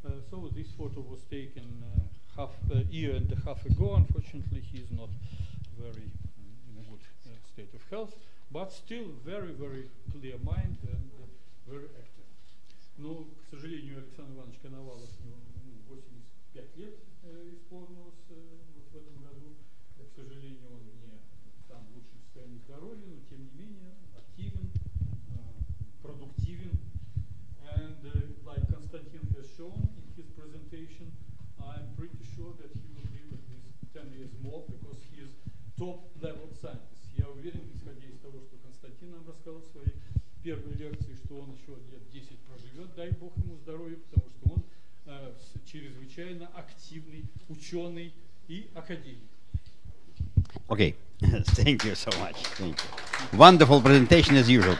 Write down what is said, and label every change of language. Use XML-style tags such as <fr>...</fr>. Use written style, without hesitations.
<en>So this photo was taken half a year and a half ago. Unfortunately, he is not very in a good state of health, but still very, very clear mind and very active.</en> <ru>Но, к сожалению, Александр Иванович Коновалов, 85 лет исполнилось вот в этом году. К сожалению, он не там в лучшем состоянии здоровья, но тем не менее активен, продуктивен.</ru> <en>And like Konstantin has shown in his presentation, I'm pretty sure that he will live at least 10 years more, because he is top-level scientist.</en> <ru>Я уверен, исходя из того, что Konstantin нам рассказал в своей первой лекции, что он еще лет 10 проживет, дай бог ему здоровья, потому что он чрезвычайно активный ученый и академик.</ru> <en>Okay, thank you so much. Thank you. Wonderful presentation as usual.</en>